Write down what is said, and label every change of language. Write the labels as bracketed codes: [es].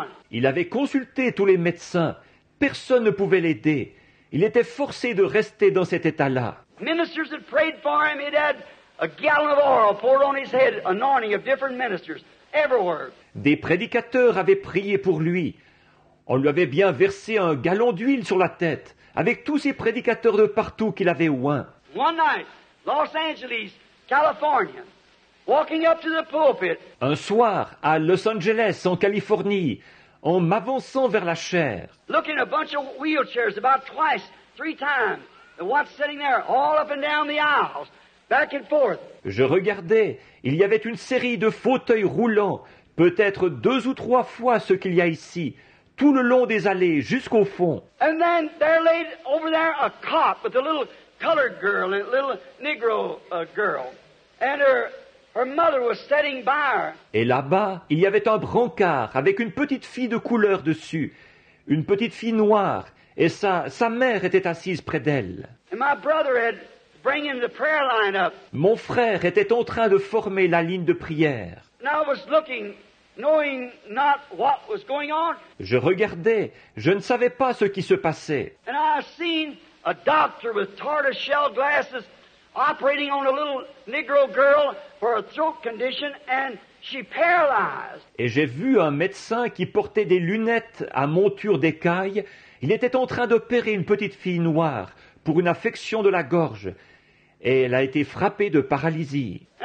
[fr] Il avait consulté tous les médecins. Personne ne pouvait l'aider. Il était forcé de rester dans cet état-là. [en] Ministers had prayed for him. He had a gallon of oil poured on his head, anointing of different ministers everywhere. [fr] Des prédicateurs avaient prié pour lui. On lui avait bien versé un gallon d'huile sur la tête, avec tous ces prédicateurs de partout qu'il avait oint. [en] One night, Los Angeles, California, walking up to the pulpit. [fr] Un soir, à Los Angeles, en Californie, en m'avançant vers la chaire. [en] Looking at a bunch of wheelchairs about twice, three times. The one sitting there, all up and down the aisles, back and forth. [fr] Je regardais, il y avait une série de fauteuils roulants, peut-être deux ou trois fois ce qu'il y a ici, tout le long des allées, jusqu'au fond. [en] And then there laid over there a cot with a little colored girl, a little Negro girl, and her mother was sitting by her. [fr] Et là-bas, il y avait un brancard avec une petite fille de couleur dessus, une petite fille noire. Et sa mère était assise près d'elle. [en] And my brother had bringing the prayer line up. [fr] Mon frère était en train de former la ligne de prière. [en] And I was looking, knowing not what was going on. [fr] Je regardais, je ne savais pas ce qui se passait. [en] And I seen a doctor with tortoise shell glasses operating on a little Negro girl for a throat condition and she paralyzed. [fr] Et j'ai vu un médecin qui portait des lunettes à monture d'écaille. Il était en train d'opérer une petite fille noire pour une affection de la gorge et elle a été frappée de paralysie.